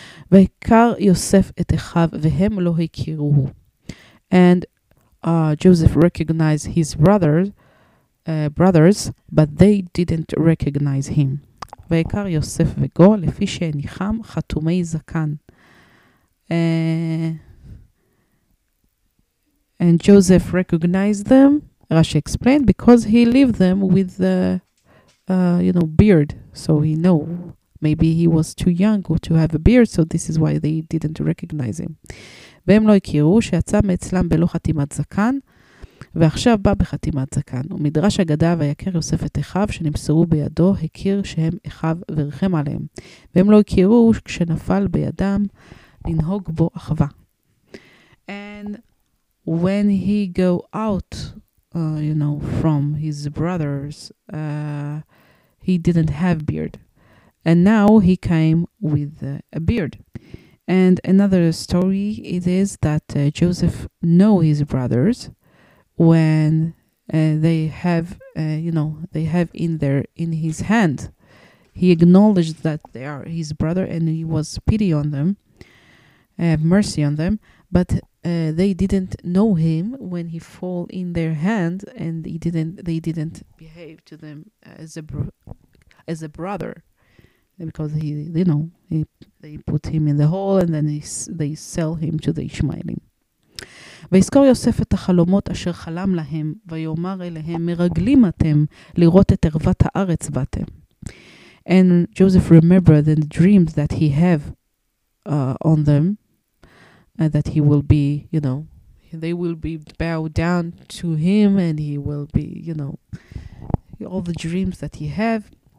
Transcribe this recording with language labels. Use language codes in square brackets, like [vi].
[he] והכר יוסף את אחיו, והם לא הכירוהו. [en] And Joseph recognized his brothers, but they didn't recognize him. [he] ויקר יוסף וגו, לפי שניחם חתומי זקן. [en] And Joseph recognized them, Rashi explained, because he lived them with the, you know, beard. So he know, maybe he was too young to have a beard, so this is why they didn't recognize him. [he] והם לא הכירו שיצא מאצלם בלא חתימת זקן, ועכשיו בא בחתימת זקן. ומדרש אגדה, ויקר יוסף את אחיו שנמסרו בידו, הכיר שהם אחיו ורחם עליהם. והם לא הכירו כשנפל בידם לנהוג בו אחווה. [en] And when he go out, you know, from his brothers, he didn't have beard. And now he came with a beard. And another story, it is that Joseph know his brothers when they have, you know, they have in his hand. He acknowledged that they are his brother, and he was pity on them, have mercy on them. But they didn't know him when he fall in their hand, and they didn't behave to them as a brother. Because he, you know, they put him in the hole, and then they sell him to the Ishmaelim. [he] ויזכור יוסף את החלומות אשר חלם להם, ויאמר אליהם, מרגלים אתם לראות את ערוות הארץ באתם. [en] And Joseph remembered the dreams that he have on them, that he will be, you know, they will be bowed down to him, and he will be, you know, all the dreams that he have.